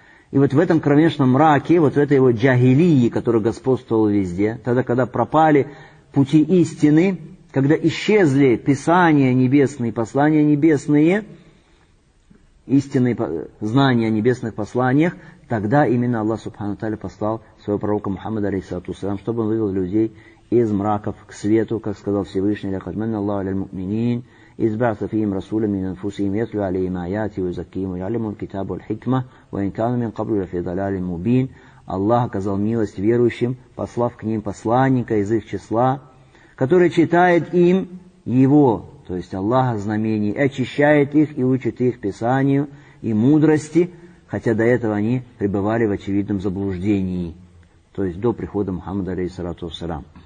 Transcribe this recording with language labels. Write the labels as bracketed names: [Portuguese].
[Russian] И вот в этом кромешном мраке, вот в этой вот джагилии, которая господствовала везде, тогда, когда пропали пути истины, когда исчезли Писания небесные, послания небесные, истинные знания о небесных посланиях, тогда именно Аллах Субхану Тааля послал своего пророка Мухаммада, алейхиссалату вассалям, чтобы он вывел людей из мраков к свету, как сказал Всевышний, [Arabic] «Ля хадманна Аллаху аля аль-муминин, إذ بعث فيهم رسولا من أنفسهم يتلو عليهم آياته ويزكيهم ويعلمهم الكتاب والحكمة وإن كانوا من قبل لفي ضلال مبين. [Russian] Аллах оказал милость верующим, послав к ним посланника из их числа, который читает им его, то есть Аллаха, знамений, очищает их и учит их Писанию и мудрости, хотя до этого они пребывали в очевидном заблуждении, то есть до прихода Мухаммада, алейхиссалату вассалям.